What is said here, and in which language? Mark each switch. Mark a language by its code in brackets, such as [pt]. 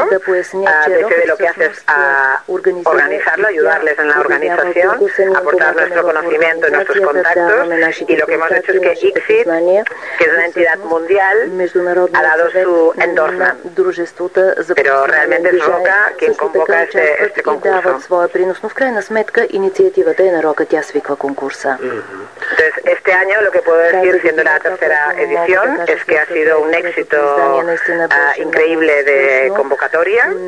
[es] desde lo que hace es organizarlo, ayudarles en la organización, aportar nuestro conocimiento y nuestros contactos, y lo que hemos hecho es que ICSID, que es una entidad mundial, ha dado su endorsement. Pero realmente es Roca quien convoca este concurso. [bg] В крайна сметка, инициативата е на Рока, тя свиква конкурса. [es] Entonces, este año lo que puedo decir, siendo la tercera edición, es que ha sido un éxito increíble de convocatoria.